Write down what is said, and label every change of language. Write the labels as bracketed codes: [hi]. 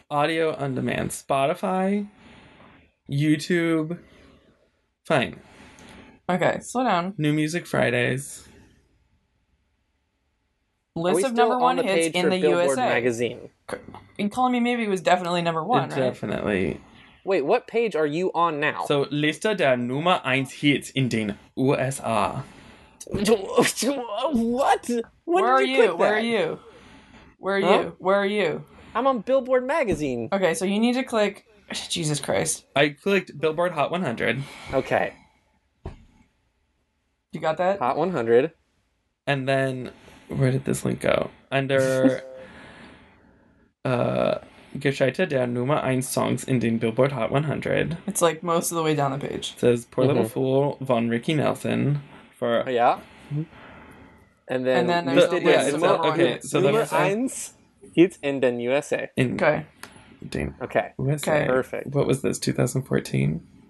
[en] Audio on demand. Spotify. YouTube. Fine. Okay, slow down. New Music Fridays. List of number one hits in the USA. Magazine? And Call Me Maybe was definitely number one, right? Definitely. Wait, what page are you on now? [de] So, Liste der Nummer 1 Hits in den USA. [en] What? Where are you? I'm on Billboard magazine. Okay, so you need to click. Jesus Christ! I clicked Billboard Hot 100. Okay. You got that? Hot 100. And then, where did this link go? Under. [de] Geschichte der Nummer 1 Songs in den Billboard Hot 100. [en] It's like most of the way down the page. It says "Poor Little Fool" von Ricky Nelson. For [de] Hits in den USA. [en] Okay. Perfect. What was this? 2014.